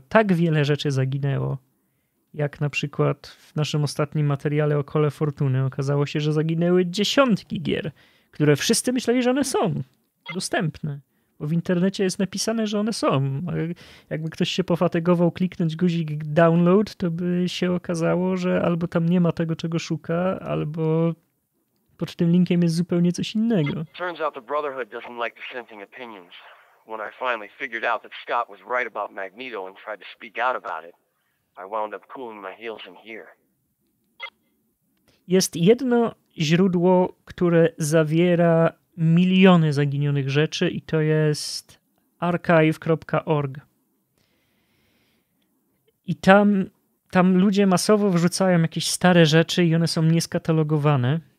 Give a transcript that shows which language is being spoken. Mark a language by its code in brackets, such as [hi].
[pl] Tak wiele rzeczy zaginęło. Jak na przykład w naszym ostatnim materiale o Kole Fortuny okazało się, że zaginęły dziesiątki gier, które wszyscy myśleli, że one są dostępne. Bo w internecie jest napisane, że one są. Jakby ktoś się pofatygował kliknąć guzik download, to by się okazało, że albo tam nie ma tego, czego szuka, albo pod tym linkiem jest zupełnie coś innego. [en] Turns out the Brotherhood doesn't like dissenting opinions. When I finally figured out that Scott was right about Magneto and tried to speak out about it, I wound up cooling my heels in here. [pl] Jest jedno źródło, które zawiera miliony zaginionych rzeczy i to jest archive.org. I tam ludzie masowo wrzucają jakieś stare rzeczy i one są nieskatalogowane.